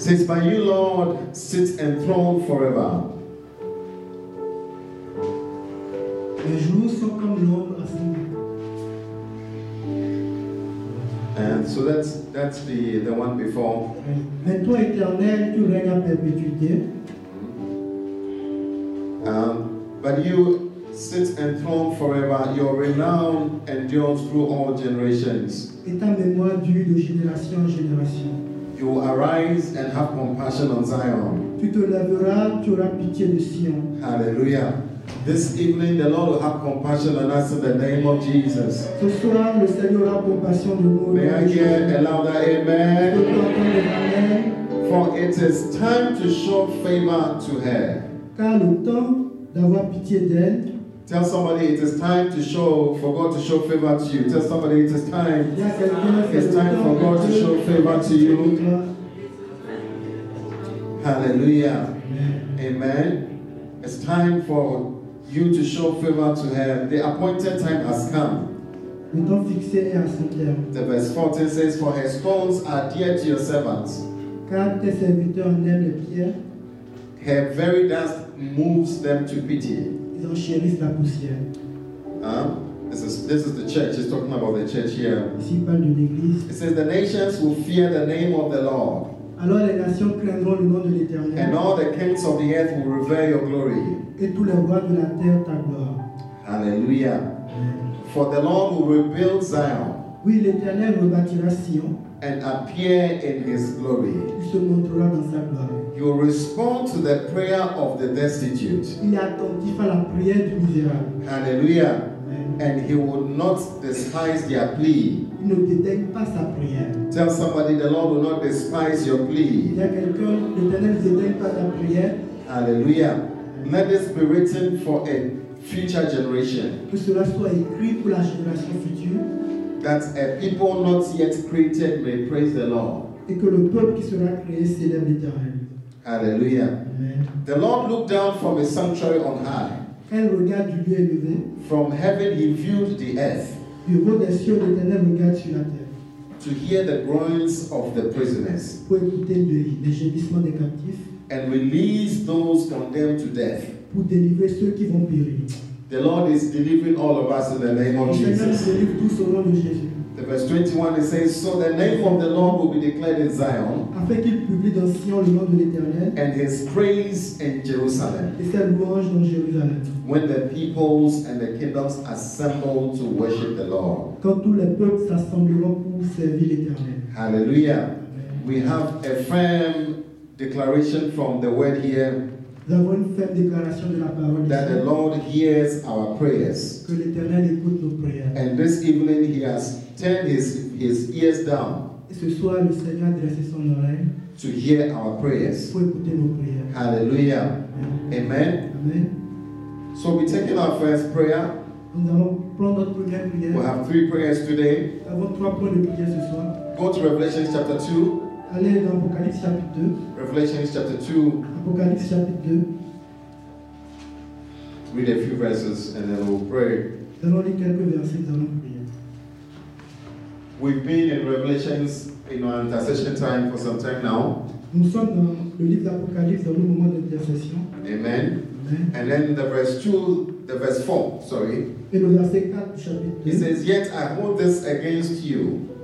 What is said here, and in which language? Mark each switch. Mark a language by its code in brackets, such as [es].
[en] Says, "By you, Lord, sit enthroned forever." [fr] Les jours sont comme l'ombre à son. [en] And so that's the one before. [fr] Mais toi, Éternel, tu règnes en perpétuité. [en] But you sit enthroned forever. Your renown endures through all generations. [fr] Et ta mémoire dure de génération en génération. [en] You will arise and have compassion on Zion. [fr] Tu te lèveras, tu auras pitié de Sion. [en] Hallelujah. This evening, the Lord will have compassion on us in the name of Jesus. [fr] Ce soir, le Seigneur aura compassion de nous. [en] May I hear a louder amen? Amen. For it is time to show favor to her. [fr] Car le temps d'avoir pitié d'elle. [en] Tell somebody it is time to show for God to show favor to you. Tell somebody it is time. It's time for God to show favor to you. Hallelujah. Amen. It's time for you to show favor to her. The appointed time has come. [fr] Le temps fixé est à son terme. [en] The verse 14 says, "For her stones are dear to your servants." [fr] Car tes serviteurs aiment les pierres. [en] Her very dust moves them to pity. [fr] Ils en chérissent la poussière. [en] This is the church. It's talking about the church here. [fr] Ici, parle de l'église. [en] It says, "The nations will fear the name of the Lord." [fr] Alors les nations craindront le nom de l'Éternel. [en] And all the kings of the earth will revere your glory. [fr] Et tous les rois de la terre ta gloire. [en] Hallelujah. Amen. For the Lord will rebuild Zion. [fr] Oui, l'Éternel rebâtira Sion. [en] And appear in his glory. [fr] Il se montrera dans sa gloire. [en] You will respond to the prayer of the destitute. [fr] Il est attentif à la prière du misérable. [en] Hallelujah. Amen. And he will not despise their plea. [fr] Il ne dédaigne pas sa prière. [en] Tell somebody the Lord will not despise your plea. [fr] Il y a quelqu'un, l'Éternel ne dédaigne pas ta prière. [en] Hallelujah. Amen. Let this be written for a future generation. [fr] Que cela soit écrit pour la génération future. [en] That a people not yet created may praise the Lord. [fr] Et que le peuple qui sera créé célèbre l'Éternel. [en] Hallelujah. Amen. The Lord looked down from his sanctuary on high. [fr] Quand il regarde du lieu élevé. [en] From heaven he viewed the earth. [fr] Du haut des cieux, l'Éternel regarde sur la terre. [en] To hear the groans of the prisoners. [fr] Pour écouter les gémissements des captifs. [en] And release those condemned to death. [fr] Pour délivrer ceux qui vont périr. [en] The Lord is delivering all of us in the name of Jesus. The verse 21 it says, "So the name of the Lord will be declared in Zion, [fr] afin qu'il publie dans Sion le nom de l'Éternel, [en] and his praise in Jerusalem, [fr] et sa louange dans Jérusalem, [en] when the peoples and the kingdoms assemble to worship the Lord." [fr] Quand tous les peuples s'assembleront pour servir l'Éternel. [en] Hallelujah. Amen. We have a firm declaration from the word here. [fr] Nous avons une ferme déclaration de la parole. [en] That the Lord hears our prayers. [fr] Que l'Éternel écoute nos prières. [en] And this evening he has turned his ears down. [fr] Et ce soir le Seigneur a dressé son oreille. [en] To hear our prayers. [fr] Pour écouter nos prières. [en] Hallelujah. Amen. Amen. So we're taking our first prayer. [fr] Nous allons prendre notre première prière. [en] We have three prayers today. [fr] Nous avons trois points de prière ce soir. [en] Go to Revelation chapter 2. [fr] Allez dans Apocalypse chapitre 2. [en] Revelation chapter 2. [fr] Apocalypse chapitre 2. [en] Read a few verses and then we'll pray. [fr] Nous allons lire quelques versets, nous allons prier. [en] We've been in Revelations in our intercession time for some time now. [fr] Nous sommes dans le livre d'Apocalypse dans le moment d'intercession. [en] Amen. Amen. And then the verse 2, the verse 4, sorry. [fr] Et le verset 4 du chapitre 2. [en] He says, "Yet I hold this against you."